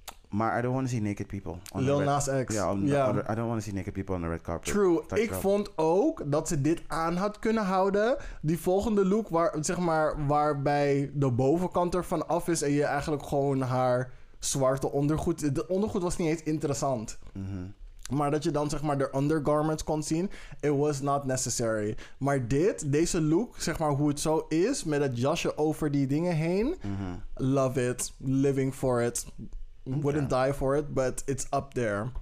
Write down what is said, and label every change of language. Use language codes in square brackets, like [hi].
[en] Maar I don't want to see naked people. Lil Nas X. I don't want to see naked people on the red carpet. True. [nl] Ik vond ook dat ze dit aan had kunnen houden. Die volgende look waar, zeg maar, waarbij de bovenkant er van af is... en je eigenlijk gewoon haar zwarte ondergoed... De ondergoed was niet eens interessant. Mm-hmm. Maar dat je dan zeg maar de undergarments kon zien... it was not necessary. Maar deze look, zeg maar hoe het zo is... met het jasje over die dingen heen... Mm-hmm. [en] Love it. Living for it. Wouldn't die for it, but it's up there.